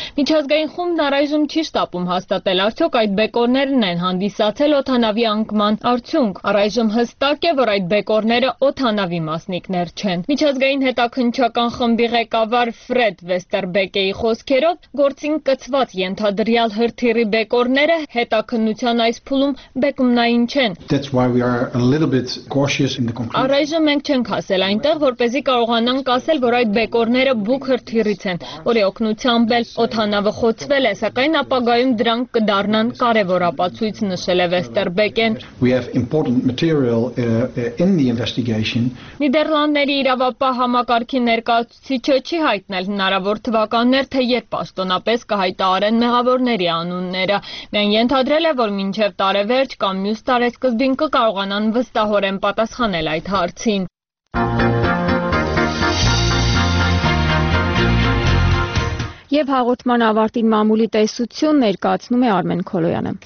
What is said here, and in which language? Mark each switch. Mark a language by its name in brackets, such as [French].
[Armenian] Միջազգային խումբն առայժմ չի շտապում հաստատել, արդյոք այդ բեկորներն են հանդիսացել օթանավի անկման արդյունք։ Առայժմ հստակ է, որ այդ բեկորները օթանավի մասնիկներ չեն։ Միջազգային հետաքննչական խմբի ղեկավար Ֆրեդ Վեստերբեկեի խոսքերով, գործին կցված ենթադրյալ հրթիռի բեկորները հետաքննության այս փուլում բեկումնային չեն։ [English] We are a little bit cautious in the conclusion. [Armenian] Առայժմ մենք չենք ասել այնտեղ, որպեսզի կարողանանք ասել, որ այդ բեկորները ՎՈՒԿ հրթիռից են, որի օգնությամբ օթանավը խոցվել է, սակայն ապագայում դրանք կդառնան կարևոր ապացույց, նշել է Վեստերբեկեն։ [English] We have important material in the investigation. [Armenian] Նիդերլանդների իրավապահ համակարգի ներկայացուցիչը չի հայտնել հնարավոր թվականներ, թե երբ պաշտոնապես կհայտարարեն մեղավորների անունները։ Նա ենթադրել է, որ մինչև տարեվերջ կամ մյուս տարեսկզբին կարողանան վստահորեն պատասխանել այդ հարցին։ Եվ հաղորդման ավարտին մամուլի տեսություն ներկայացնում է Արմեն Քոլոյանը։